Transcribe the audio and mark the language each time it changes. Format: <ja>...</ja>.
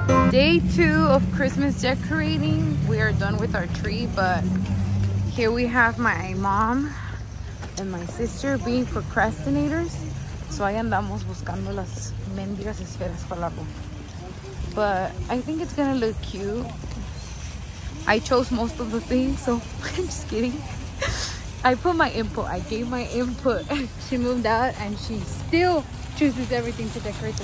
<en>Day two of Christmas decorating. We are done with our tree, but here we have my mom and my sister being procrastinators.</en> <es>So ahí andamos buscando las mendigas esferas para la bomba.</es> <en>But I think it's gonna look cute. I chose most of the things, so I'm just kidding. I put my input, I gave my input. She moved out and she still chooses everything to decorate the</en>